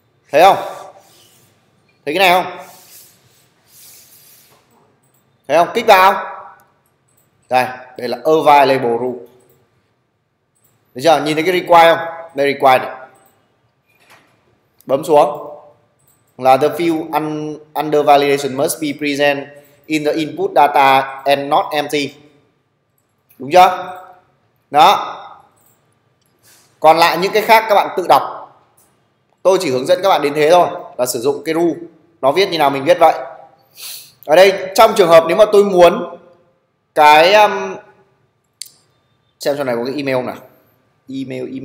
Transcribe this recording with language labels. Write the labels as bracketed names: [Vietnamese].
[Vietnamese] Thấy không? Thấy cái này không? Thấy không? Kích vào. Đây, đây là Available Rule. Được chưa? Nhìn thấy cái Require không? Đây Require này. Bấm xuống. [English] Là the field under validation must be present in the input data and not empty. [Vietnamese] Đúng chưa? Đó. Còn lại những cái khác các bạn tự đọc. Tôi chỉ hướng dẫn các bạn đến thế thôi. Là sử dụng cái rule. Nó viết như nào mình viết vậy. Ở đây trong trường hợp nếu mà tôi muốn cái xem trong này có cái email không nào. Email.